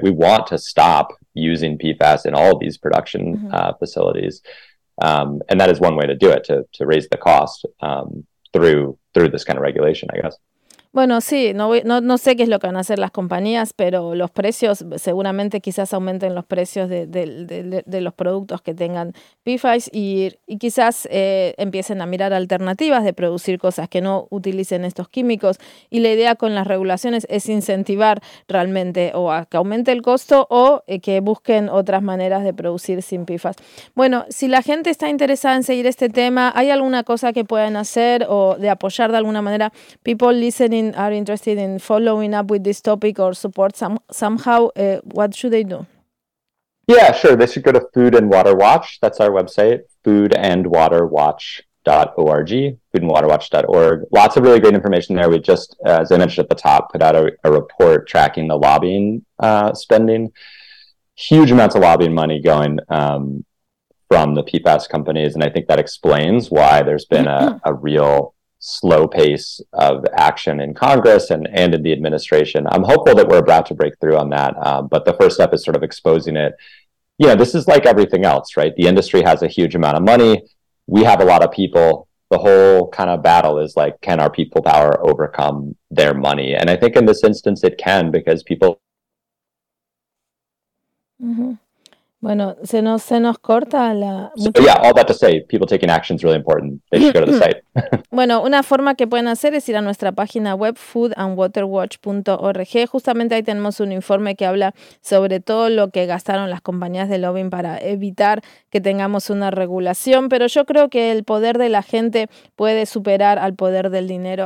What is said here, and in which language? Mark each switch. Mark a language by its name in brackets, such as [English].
[English] We want to stop using PFAS in all of these production facilities. And that is one way to do it, to raise the cost through this kind of regulation, I guess. [Spanish] Bueno, sí, no sé qué es lo que van a hacer las compañías, pero los precios, seguramente quizás aumenten los precios de los productos que tengan PFAS y quizás empiecen a mirar alternativas de producir cosas que no utilicen estos químicos. Y la idea con las regulaciones es incentivar realmente o a que aumente el costo o que busquen otras maneras de producir sin PFAS. Bueno, si la gente está interesada en seguir este tema, ¿hay alguna cosa que puedan hacer o de apoyar de alguna manera? [English] People listen are interested in following up with this topic or support somehow, what should they do? Yeah, sure. They should go to Food and Water Watch. That's our website, foodandwaterwatch.org. foodandwaterwatch.org. Lots of really great information there. We just, as I mentioned at the top, put out a report tracking the lobbying spending. Huge amounts of lobbying money going from the PFAS companies, and I think that explains why there's been a real slow pace of action in Congress and in the administration. I'm hopeful that we're about to break through on that, but the first step is sort of exposing it. You know, this is like everything else, right? The industry has a huge amount of money. We have a lot of people. The whole kind of battle is like, can our people power overcome their money? And I think in this instance, it can, because people... [Spanish] Bueno, se nos corta la... [English] So, yeah, all that to say, people taking action is really important. They should go to the site. [Spanish] Bueno, una forma que pueden hacer es ir a nuestra página web, foodandwaterwatch.org. Justamente ahí tenemos un informe que habla sobre todo lo que gastaron las compañías de lobbying para evitar que tengamos una regulación. Pero yo creo que el poder de la gente puede superar al poder del dinero.